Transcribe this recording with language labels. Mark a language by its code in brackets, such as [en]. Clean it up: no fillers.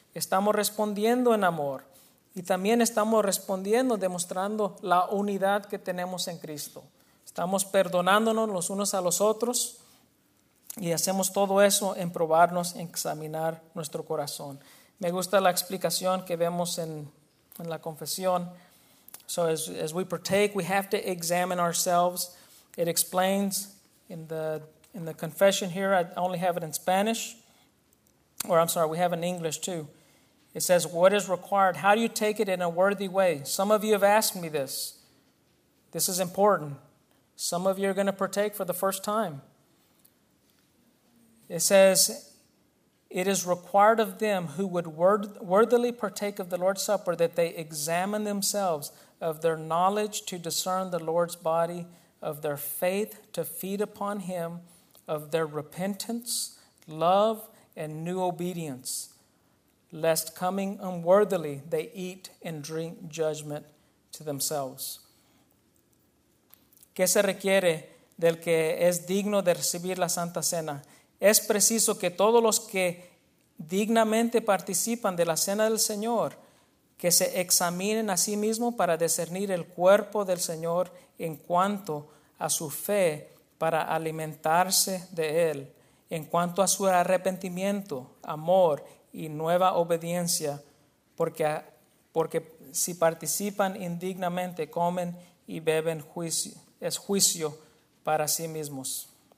[es] Estamos respondiendo en amor. Y también estamos respondiendo, demostrando la unidad que tenemos en Cristo. Estamos perdonándonos los unos a los otros. Y hacemos todo eso en probarnos, en examinar nuestro corazón. Me gusta la explicación que vemos en la confesión. [en] So as we partake, we have to examine ourselves. It explains in the confession here, I only have it in Spanish. Or I'm sorry, we have it in English too. It says, what is required? How do you take it in a worthy way? Some of you have asked me this. This is important. Some of you are going to partake for the first time. It says, it is required of them who would worthily partake of the Lord's Supper that they examine themselves of their knowledge to discern the Lord's body, of their faith to feed upon him, of their repentance, love, and new obedience, lest coming unworthily they eat and drink judgment to themselves. [es] ¿Qué se requiere del que es digno de recibir la Santa Cena? Es preciso que todos los que dignamente participan de la cena del Señor, que se examinen a sí mismos para discernir el cuerpo del Señor en cuanto a su fe para alimentarse de él, en cuanto a su arrepentimiento, amor y nueva obediencia, porque si participan indignamente, comen y beben juicio, es juicio para sí mismos.